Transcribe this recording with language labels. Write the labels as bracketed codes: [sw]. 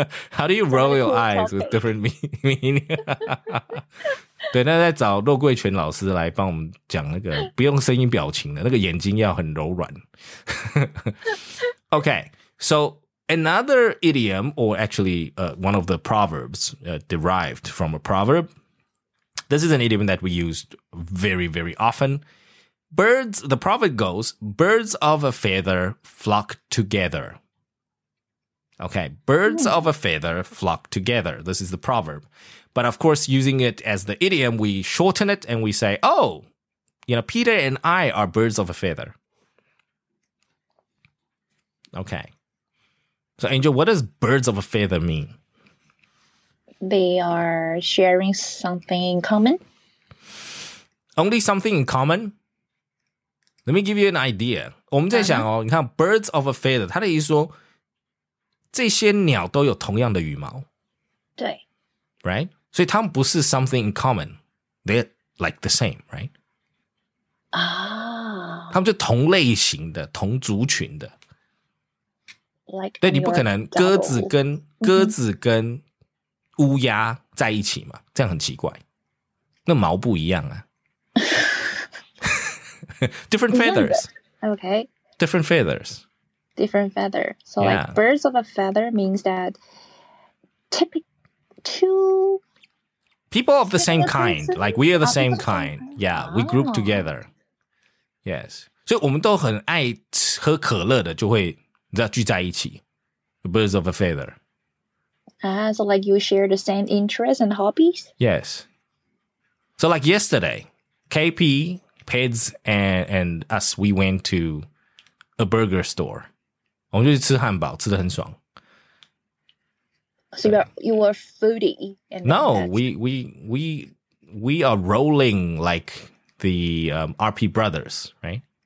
[en] How do you roll your eyes with different meaning? [zh] 对，那再找骆桂泉老师来帮我们讲那个不用声音表情的那个眼睛要很柔软。 [en] Okay, so another idiom, or actually one of the proverbs derived from a proverb. This is an idiom that we use very, very often. Birds, the proverb goes, birds of a feather flock together. Okay, birds of a feather flock together. This is the proverb. But of course, using it as the idiom, we shorten it and we say, oh, you know, Peter and I are birds of a feather. Okay. So, Angel, what does birds of a feather mean? They are sharing something in common. Only something in common? Let me give you an idea. [zh] 我们在想哦，你看 [en] birds of a feather, [zh] 它的意思说这些鸟都有同样的羽毛。对。 [en] Right? [zh] 所以他们不是 [en] something in common. They're like the same, right? 啊、 [zh] oh, 他们是同类型的同族群的。 [en] Like、 [zh] 对你不可能鸽子跟、 [en] double. [zh] 鸽子跟乌鸦在一起嘛、mm-hmm. 这样很奇怪。那毛不一样啊。 [en] Different feathers. Okay. Different feathers. Different feather. So、yeah. like birds of a feather means that typically two... People of the same kind, like we are the same kind. Yeah, we group together. Yes. [zh] 所以我们都很爱喝可乐的就会聚在一起。 [en] Birds of a feather. Ah, so like you share the same interests and hobbies? Yes. So like yesterday, KP, Peds, and us, we went to a burger store. [zh] 我们就去吃汉堡,吃得很爽。 [en] So you are foodie. And no, we are rolling like the RP brothers, right?